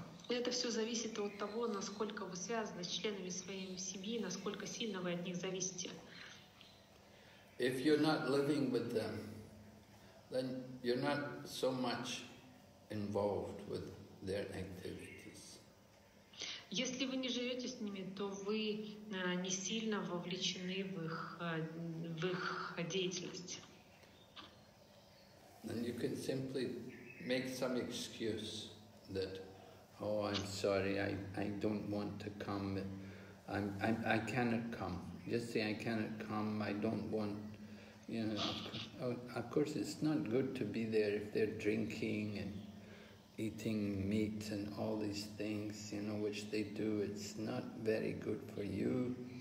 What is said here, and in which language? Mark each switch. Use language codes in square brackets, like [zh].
[ru] Это все зависит от того, насколько вы связаны с членами своей семьи, насколько сильно вы от них зависите. [en] If you're not living with them, then you're not so much involved with their activities. [ru] Если вы не живете с ними, то вы не сильно вовлечены в их деятельность. [en] And you can simply make some excuse that, oh, I'm sorry, I don't want to come, I cannot come. Just say, I cannot come, I don't want, you know. Of course, it's not good to be there if they're drinking and eating meat and all these things, you know, which they do. It's not very good for you.